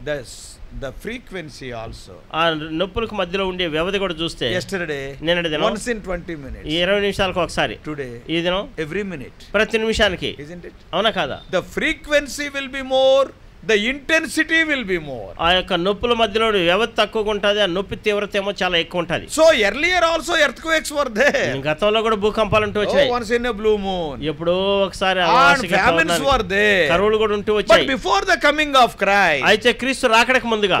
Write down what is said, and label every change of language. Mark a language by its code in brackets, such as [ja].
[en] That's the frequency also. [te] ఆ నొప్పులకు మధ్యలో ఉండే వ్యవధి కూడా చూస్తే. [en] yesterday [te] నిన్నటి దినం. [en] once in 20 minutes. [te] ఈ 20 నిమిషాలకు ఒకసారి. [en] today [te] ఈ దినం. [en] every minute. [te] ప్రతి నిమిషానికి. [en] isn't it? [te] అవునా కాదా? [en] the frequency will be more. The intensity will be more. [te] ఆ యొక్క నొప్పుల మధ్యలో వ్యవధి తక్కువగా ఉంటుంది. ఆ నొప్పి తీవ్రత ఏమో చాలా ఎక్కువ ఉంటుంది. [en] So earlier also earthquakes were there. [te] గతంలో కూడా భూకంపాలు ఉంటూ వచ్చాయి. [en] Once in a blue moon. [te] ఎప్పుడో ఒకసారి [en] Famines were there. [te] కరువులు కూడా ఉంటూ వచ్చాయి. [en] But before the coming of Christ. [te] అయితే క్రీస్తు రాకడక ముందుగా.